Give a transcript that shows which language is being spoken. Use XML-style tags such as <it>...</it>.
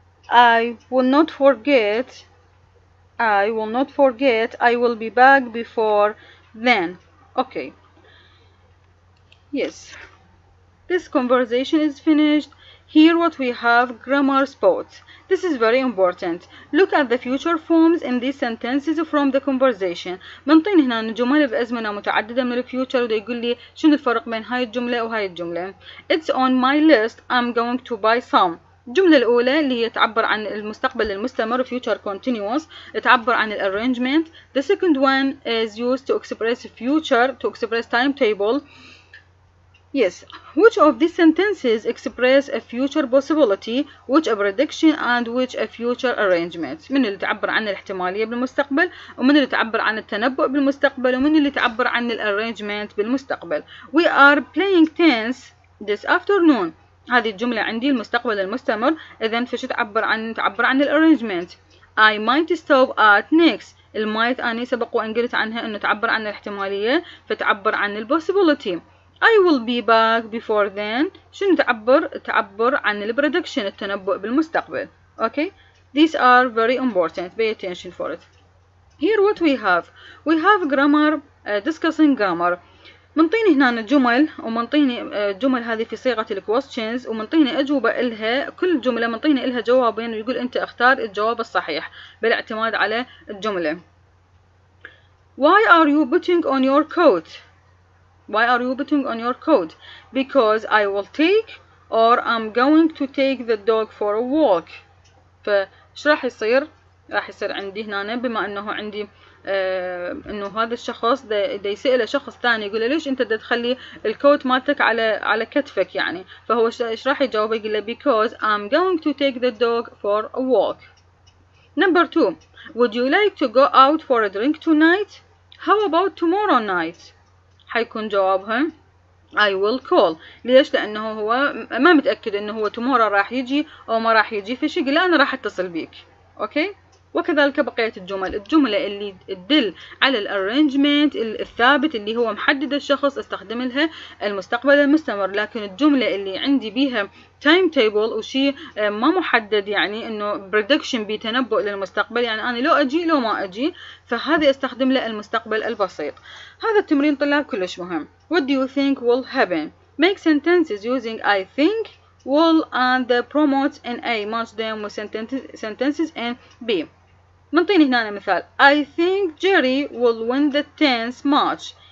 <en>I will not forget. I will be back before then. Okay. Yes, this conversation is finished. Here, what we have, grammar spots. This is very important. Look at the future forms in these sentences from the conversation.</en> <ar>بنطين هنا جمل بأزمنة متعددة من الفيوتشر وده يقول لي شنو الفرق بين هاي الجملة وهاي الجملة.</ar> <en>It's on my list. I'm going to buy some.</en> <ar>الجملة الأولى اللي هي تعبر عن المستقبل المستمر future continuous تعبر عن الarrangement.</ar> <en>The second one is used to express future to express timetable. Yes, which of these sentences express a future possibility, which a prediction, and which a future arrangement?</en> <ar>من اللي تعبر عن الاحتمالية بالمستقبل، ومن اللي تعبر عن التنبؤ بالمستقبل، ومن اللي تعبر عن الarrangement بالمستقبل.</ar> <en>We are playing tennis this afternoon.</en> <ar>هذه الجملة عندي المستقبل المستمر، إذن فش تعبر عن الarrangement.</ar> <en>I might stop at next.</en> <ar>المايت أني سبق وإن قلت عنها إنه تعبر عن الاحتمالية، فتعبر عن البوسيبلتي.</ar> <en>I will be back before then.</en> <ar>شنو تعبر عن ال prediction التنبؤ بالمستقبل.</ar> <en>Okay, these are very important. Pay attention for it. Here what we have. We have grammar discussing grammar.</en> <ar>منطيني هنا الجمل ومنطيني الجمل هذه في صيغة ال questions ومنطيني أجوبة إلها كل جملة منطيني إلها جوابين ويقول أنت اختار الجواب الصحيح بالاعتماد على الجملة.</ar> <en>Why are you putting on your coat? Why are you putting on your coat? Because I will take or I'm going to take the dog for a walk.</en> <ar>فش راح يصير؟ راح يصير عندي هنا بما انه عندي انه هذا الشخص ده يسأله شخص ثاني يقول له ليش انت ده تخلي الكوت مالتك على كتفك يعني؟ فهو ايش راح يجاوب؟ يقول له</ar> <en>because I'm going to take the dog for a walk. Number two, would you like to go out for a drink tonight? How about tomorrow night?</en> <ar>حيكون جوابهم</ar> <en>I will call.</en> <ar>ليش؟ لأنه هو ما متأكد أنه هو تمورا راح يجي أو ما راح يجي في شيء لأنا راح أتصل بيك. أوكي؟ وكذلك بقية الجمل. الجملة اللي تدل على الarrangement الثابت اللي هو محدد الشخص استخدم لها المستقبل المستمر، لكن الجملة اللي عندي بيها timetable وشي ما محدد يعني انه prediction بتنبؤ للمستقبل، يعني انا لو اجي لو ما اجي، فهذه استخدم لها المستقبل البسيط. هذا التمرين طلاب كلش مهم.</ar> <en>What do you think will happen? Make sentences using I think will and the promotes in A, match them with sentences in B.</en> <ar>منطيني هنا مثال.</ar> <en>I think Jerry will win the tennis match.</en>